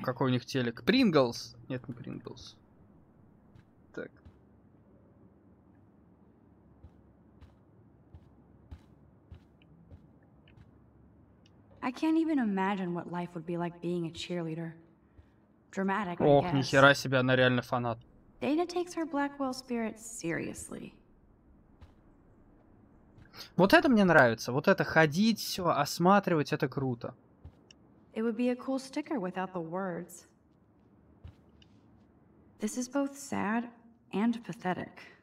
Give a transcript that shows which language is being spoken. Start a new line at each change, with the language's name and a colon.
Russian: О, какой у них телек. Pringles. Нет, не Pringles. Так.
English: I can't even imagine what life would be like being a cheerleader. Dramatic, I Ох, guess.
Russian: Ни хера себе, она реально фанат.
English: Dana takes her Blackwell spirit seriously.
Russian: Вот это мне нравится. Вот это ходить, все, осматривать, это круто.
English: It would be a cool sticker without the words. This is both sad and pathetic.